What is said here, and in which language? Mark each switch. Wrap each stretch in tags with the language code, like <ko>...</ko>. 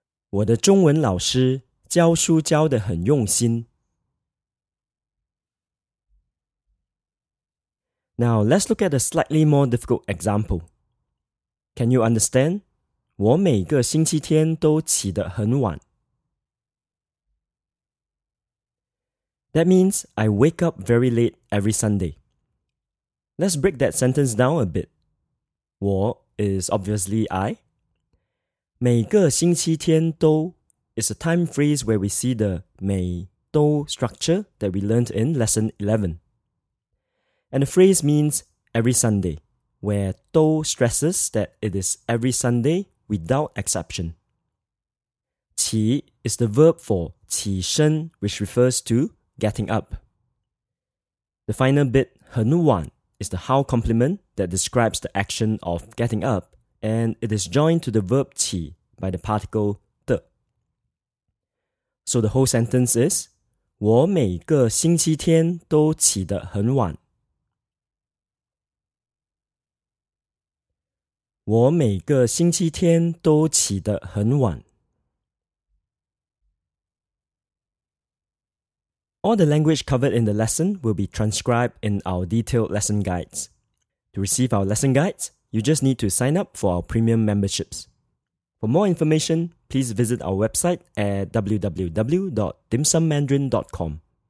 <zh>我的中文老师教书教得很用心.</zh> <en>Now, let's look at a slightly more difficult example. Can you understand?</en> <zh>我每个星期天都起得很晚。</zh> <en>That means I wake up very late every Sunday. Let's break that sentence down a bit. 我 is obviously I. 每个星期天都 is a time phrase where we see the 每都 structure that we learned in lesson 11. And the phrase means every Sunday, where 都 stresses that it is every Sunday without exception. 起 is the verb for 起身, which refers to getting up. The final bit, 很晚, is the how complement that describes the action of getting up, and it is joined to the verb 起 by the particle 的. So the whole sentence is,</en> <zh>我每个星期天都起得很晚。我每个星期天都起得很晚。</zh> <en>All the language covered in the lesson will be transcribed in our detailed lesson guides. To receive our lesson guides, you just need to sign up for our premium memberships. For more information, please visit our website at www.dimsummandarin.com.</en>